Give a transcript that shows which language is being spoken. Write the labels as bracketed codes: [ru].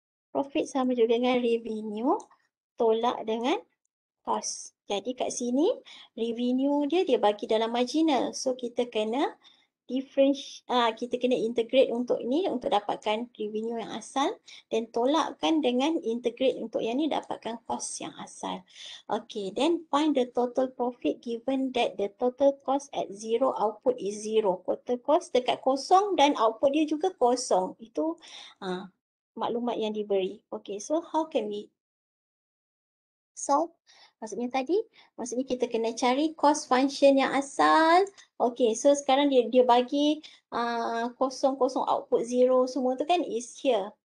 [ms] Profit sama juga dengan revenue tolak dengan cost. Jadi kat sini revenue dia bagi dalam marginal. So kita kena integrate untuk ni untuk dapatkan revenue yang asal dan tolakkan dengan integrate untuk yang ni dapatkan cost yang asal. [en] Okay, then find the total profit given that the total cost at zero output is zero. [ms] Total cost dekat kosong dan output dia juga kosong. Itu maklumat yang diberi. [en] Okay, so how can we solve? [ms] Maksudnya kita kena cari cost function yang asal. Okay, so sekarang dia bagi kosong kosong output zero semua tu kan [en] is here.